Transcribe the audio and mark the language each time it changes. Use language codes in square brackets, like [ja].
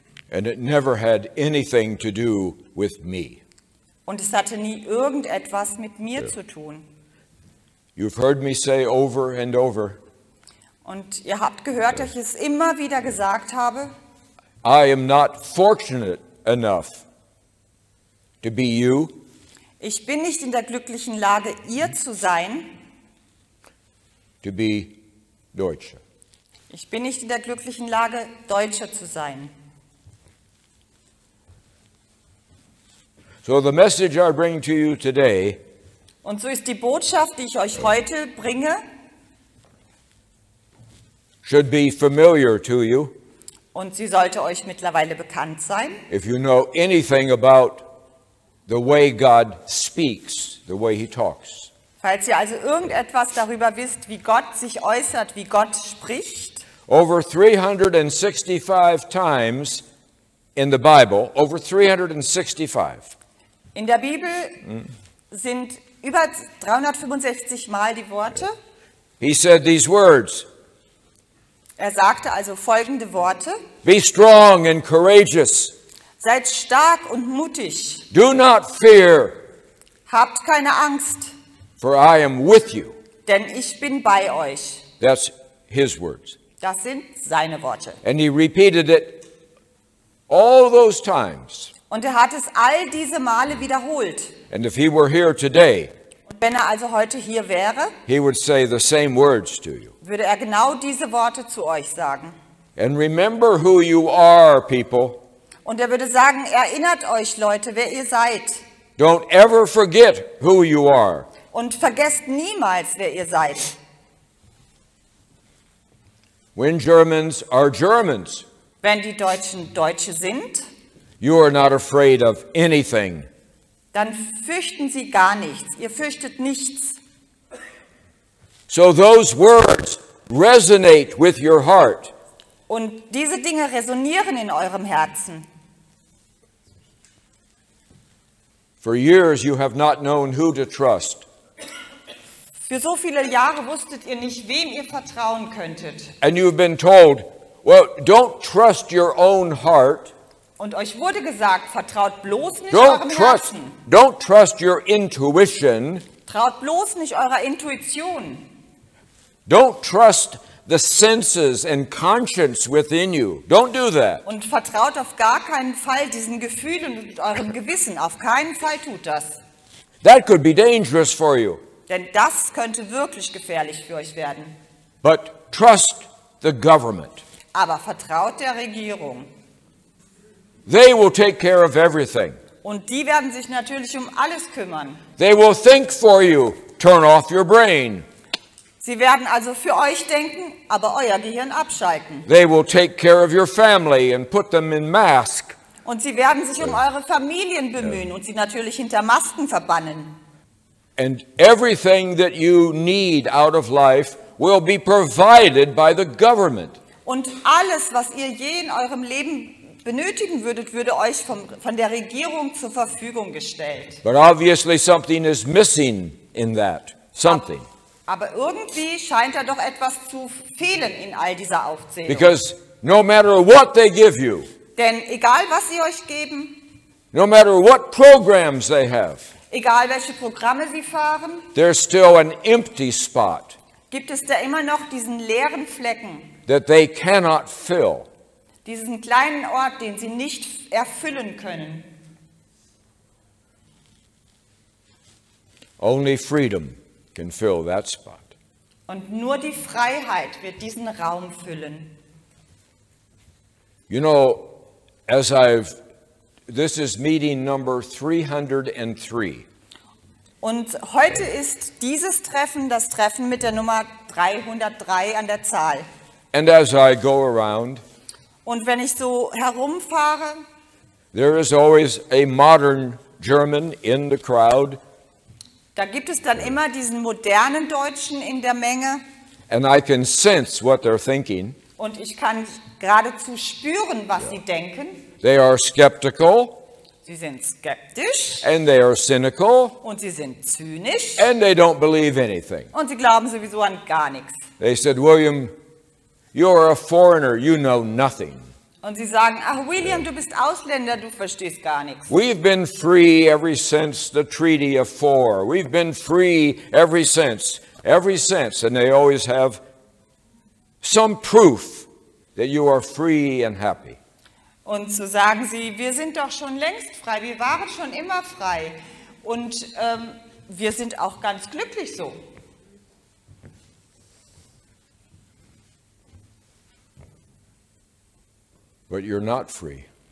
[en] And it never had anything to do with me. [de] Und es hatte nie irgendetwas mit mir zu tun. [en] You've heard me say over and over. [de] Und ihr habt gehört, dass ich es immer wieder gesagt habe. [en] I am not fortunate enough to be you. [de] Ich bin nicht in der glücklichen Lage, ihr zu sein. [en] To be Deutsche. [de] Ich bin nicht in der glücklichen Lage, Deutscher zu sein. [en] So the message I bring to you today. [de] Und so ist die Botschaft, die ich euch heute bringe, [en] should be familiar to you. [de] Und sie sollte euch mittlerweile bekannt sein. [en] If you know anything about the way God speaks, the way he talks. [de] Falls ihr also irgendetwas darüber wisst, wie Gott sich äußert, wie Gott spricht. [en] Over 365 times in the Bible, over 365. [de] In der Bibel sind über 365 Mal die Worte. [en] He said these words. [de] Er sagte also folgende Worte. [en] Be strong and courageous. [de] Seid stark und mutig. [en] Do not fear. [de] Habt keine Angst. [en] For I am with you. [de] Denn ich bin bei euch. [en] That's his words. [de] Das sind seine Worte. [en] And he repeated it all those times. [de] Und er hat es all diese Male wiederholt. [en] And if he were here today, [de] und wenn er also heute hier wäre, [en] he would say the same words to you. [de] Würde er genau diese Worte zu euch sagen. [en] And remember who you are, people. [de] Und er würde sagen, erinnert euch, Leute, wer ihr seid. [en] Don't ever forget who you are. [de] Und vergesst niemals, wer ihr seid. [en] When Germans are Germans, [de] wenn die Deutschen Deutsche sind, [en] you are not afraid of anything. [de] Dann fürchten sie gar nichts. Ihr fürchtet nichts. [en] So those words resonate with your heart. [de] Und diese Dinge resonieren in eurem Herzen. [en] For years you have not known who to trust. [de] Für so viele Jahre wusstet ihr nicht, wem ihr vertrauen könntet. [en] And you've been told, well, don't trust your own heart. [de] Und euch wurde gesagt, vertraut bloß nicht eurem Herzen. [en] Don't trust your intuition. [de] Traut bloß nicht eurer Intuition. [en] Don't trust the senses and conscience within you. Don't do that. [de] Und vertraut auf gar keinen Fall diesen Gefühlen und eurem Gewissen. Auf keinen Fall tut das. [en] That could be dangerous for you. [de] Denn das könnte wirklich gefährlich für euch werden. [en] But trust the government. [de] Aber vertraut der Regierung. [en] They will take care of everything. [de] Und die werden sich natürlich um alles kümmern. [en] They will think for you. Turn off your brain. [de] Sie werden also für euch denken, aber euer Gehirn abschalten. [en] They will take care of your family and put them in mask. [de] Und sie werden sich um eure Familien bemühen und sie natürlich hinter Masken verbannen. [en] And everything that you need out of life will be provided by the government. [de] Und alles, was ihr je in eurem Leben benötigen würdet, würde euch von der Regierung zur Verfügung gestellt. [en] But obviously something is missing in that. Something. [de] Aber irgendwie scheint da doch etwas zu fehlen in all dieser Aufzählung. [en] Because no matter what they give you. [de] Denn egal was sie euch geben. [en] No matter what programs they have. [de] Egal welche Programme sie fahren. [en] There's still an empty spot. [de] Gibt es da immer noch diesen leeren Flecken. [en] That they cannot fill. [de] Diesen kleinen Ort, den sie nicht erfüllen können. [en] Only freedom can fill that spot. [de] Und nur die Freiheit wird diesen Raum füllen. [en] You know, as I've, this is meeting number 303. [de] Und heute ist dieses Treffen das Treffen mit der Nummer 303 an der Zahl. [en] And as I go around, [de] und wenn ich so herumfahre, [en] there is always a modern German in the crowd. [de] Da gibt es dann immer diesen modernen Deutschen in der Menge. [en] And I can sense what they're thinking. [de] Und ich kann geradezu spüren, was sie denken. [en] They are skeptical. [de] Sie sind skeptisch. [en] And they are cynical. [de] Und sie sind zynisch. [en] And they don't believe anything. [de] Und sie glauben sowieso an gar nichts. [en] They said, William, you are a foreigner, you know nothing. [de] Und sie sagen, ach William, du bist Ausländer, du verstehst gar nichts. [en] We've been free ever since the Treaty of Four. We've been free ever since. And they always have some proof that you are free and happy. [de] Und so sagen sie, wir sind doch schon längst frei, wir waren schon immer frei. Und wir sind auch ganz glücklich so. [en] But you're not free.